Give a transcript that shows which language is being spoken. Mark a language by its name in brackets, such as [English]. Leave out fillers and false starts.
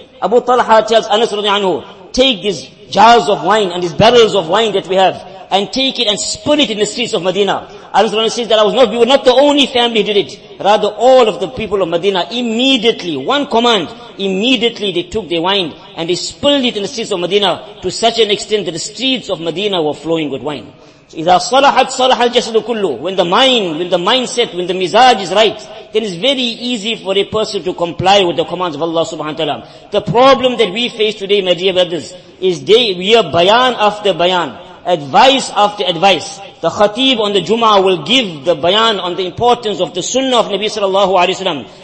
[English] Abu Talha tells Anas radiallahu anhu, take these jars of wine and these barrels of wine that we have, and take it and spill it in the streets of Medina. Anas radiallahu anhu says that we were not the only family who did it. Rather, all of the people of Medina, immediately, one command, immediately they took their wine and they spilled it in the streets of Medina to such an extent that the streets of Medina were flowing with wine. [Arabic] So, إِذَا صَلَحَتْ صَلَحَ الْجَسَدُ كُلُّ. [English] When the mind, when the mindset, when the mizaj is right, then it's very easy for a person to comply with the commands of Allah subhanahu wa ta'ala. The problem that we face today, my dear brothers, is we are bayan after bayan, advice after advice. The khatib on the Jum'ah will give the bayan on the importance of the sunnah of Nabi sallallahu alayhi wa sallam.